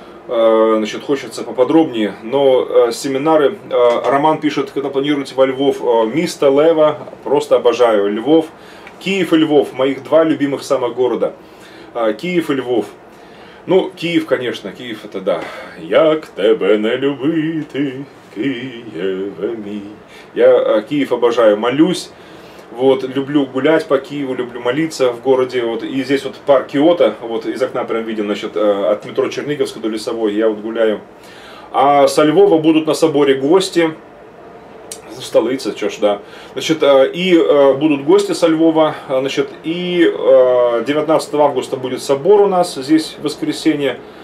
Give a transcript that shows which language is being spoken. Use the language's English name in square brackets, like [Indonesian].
[Russian] Значит, хочется поподробнее, но семинары, Роман пишет, когда планируете во Львов, Миста Лева, просто обожаю, Львов, Киев и Львов, моих два любимых самых города, Киев и Львов, ну, Киев, конечно, Киев это да. [Ukrainian] Як тебе не любити, Києве мій. [Russian] Я Киев обожаю, молюсь, вот, люблю гулять по Киеву, люблю молиться в городе, вот, и здесь вот парк Киото, вот, из окна прям виден, значит, от метро Черниговска до Лесовой, я вот гуляю. А со Львова будут на соборе гости, столица, чё ж, да, значит, и будут гости со Львова, значит, и 19 августа будет собор у нас здесь в воскресенье.